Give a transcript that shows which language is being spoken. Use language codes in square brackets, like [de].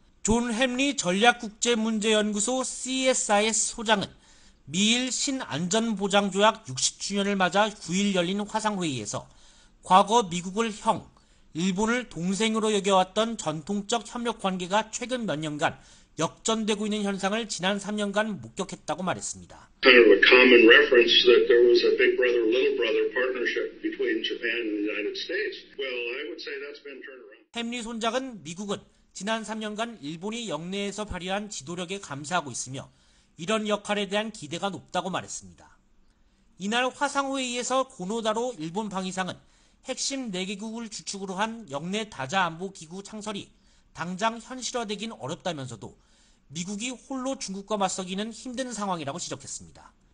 [ko] 존 햄리 전략국제문제연구소 CSIS 소장은 미일 신안전보장조약 60주년을 맞아 9일 열린 화상회의에서 과거 미국을 형, 일본을 동생으로 여겨왔던 전통적 협력관계가 최근 몇 년간 역전되고 있는 현상을 지난 3년간 목격했다고 말했습니다. [en] Kind of a common reference that there was a big brother, little brother partnership between Japan and the United States. Well, I would say that's been turned around. [ko] 햄리 손장은 미국은 지난 3년간 일본이 역내에서 발휘한 지도력에 감사하고 있으며 이런 역할에 대한 기대가 높다고 말했습니다. 이날 화상회의에서 고노다로 일본 방위상은 핵심 4개국을 주축으로 한 역내 다자안보기구 창설이 당장 현실화되긴 어렵다면서도 미국이 홀로 중국과 맞서기는 힘든 상황이라고 지적했습니다.